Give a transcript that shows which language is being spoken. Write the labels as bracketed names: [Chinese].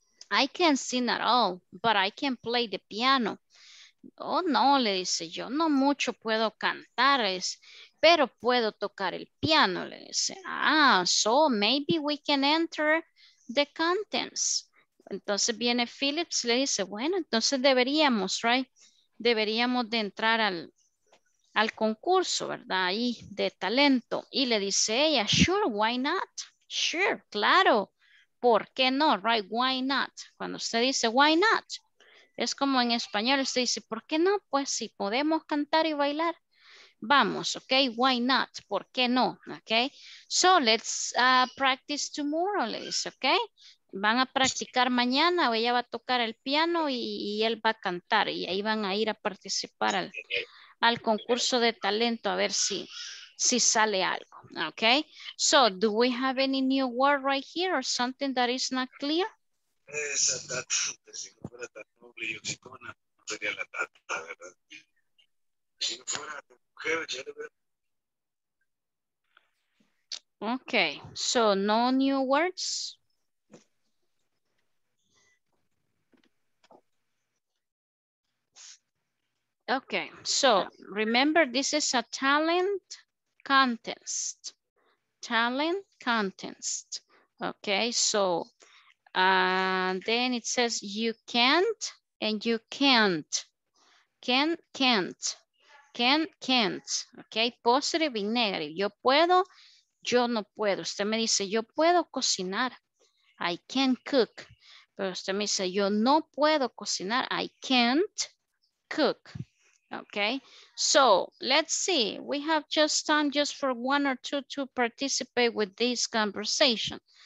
[English] I can't sing at all, but I can play the piano. [Spanish] Oh, no, le dice. Yo no mucho puedo cantar, es, pero puedo tocar el piano, le dice. [English] Ah, so maybe we can enter the contents. [Spanish] Entonces viene Phillips, le dice, bueno, entonces deberíamos, right? Deberíamos de entrar al concurso, ¿verdad? Ahí, de talento. Y le dice ella, [English] sure, why not? Sure, [Spanish] claro. ¿Por qué no? [English] Right, why not? [Spanish] Cuando usted dice, [English] why not? [Spanish] Es como en español, usted dice, ¿por qué no? Pues sí, podemos cantar y bailar. Vamos, ok, [English] why not? [Spanish] ¿Por qué no? [English] Ok, so let's practice tomorrow, [Spanish] le dice, [English] ok. [Spanish] Van a practicar mañana, o ella va a tocar el piano y él va a cantar. Y ahí van a ir a participar al concurso de talento a ver si sale algo. [English] Ok, so do we have any new word right here or something that is not clear? [Spanish] Esa data, si no fuera tan noble y oxicona, no sería la data, ¿verdad? Si no fuera mujer, ya le veo. [English] Ok, so no new words. Okay, so remember this is a talent contest. Talent contest. Okay, so then it says you can't and you can't. Can, can't. Can, can't. Okay, positive y negative. [Spanish] Yo puedo, yo no puedo. Usted me dice yo puedo cocinar. [English] I can cook. [Spanish] Pero usted me dice yo no puedo cocinar. [English] I can't cook. Okay, so let's see. We have just time just for one or two to participate with this conversation.